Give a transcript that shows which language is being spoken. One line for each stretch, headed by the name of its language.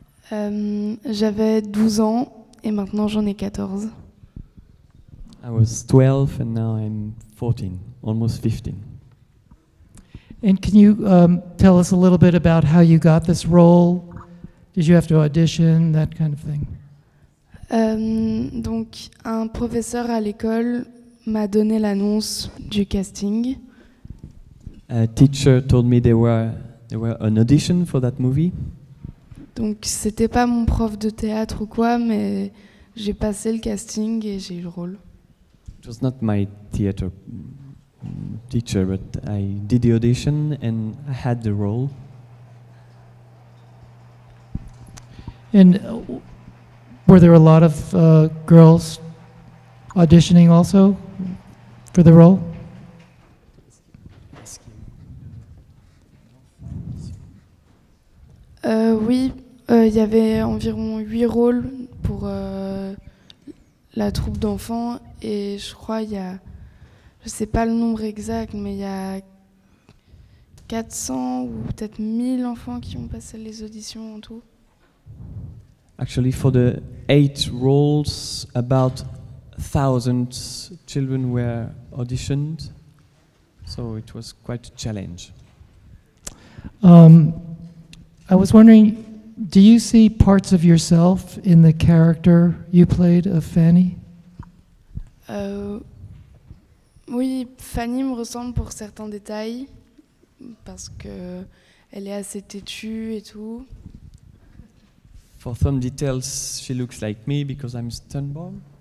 French: J'avais 12 ans, et maintenant j'en ai 14.
English: I was 12, and now I'm 14, almost 15. And can you tell us a little bit about how you got this role? Did you have to audition, that kind of thing?
French: Donc, un professeur à l'école m'a donné l'annonce du casting.
English: A teacher told me there were an audition for that movie.
French: Donc, c'était pas mon prof de théâtre ou quoi, mais j'ai passé le casting et j'ai eu le rôle.
English: It was not my theater teacher, but I did the audition and I had the role. And were there a lot of girls auditioning also for the role?
French: Oui, il y avait environ 8 rôles pour la troupe d'enfants, et je crois il y a, je sais pas le nombre exact, mais il y a 400 ou peut-être 1000 enfants qui ont passé les auditions en tout.
English: Actually, for the 8 roles, about 1,000 children were auditioned, so it was quite a challenge. I was wondering, do you see parts of yourself in the character you played of Fanny?
French: Oui, Fanny me ressemble pour certains détails, parce que elle est assez têtue et tout.
English: For some details, she looks like me because I'm stubborn.